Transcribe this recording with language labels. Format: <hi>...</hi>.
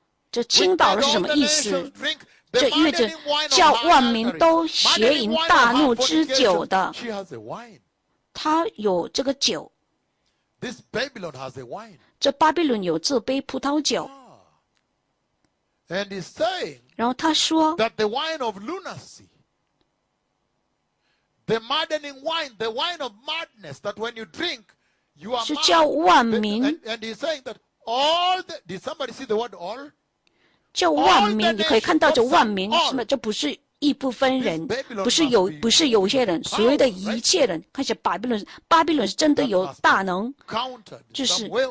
<zh>这倾倒了是什么意思？这意味着叫万民都邪淫大怒之酒的，他有这个酒。</zh> <en>This Babylon has a wine.</en> <zh>这巴比伦有这杯葡萄酒。</zh> <en>And he's saying,</en> <zh>然后他说</zh> <en>that the wine of lunacy, the maddening wine, the wine of madness, that when you drink, you are mad.</en> <zh>是叫万民。</zh> <en>And he's saying that all the, did somebody see the word all?</en> <zh>叫万民，你可以看到这万民，是吗？这不是一部分人，不是有些人，所谓的一切人，看一下巴比伦是真的有大能，就是</zh>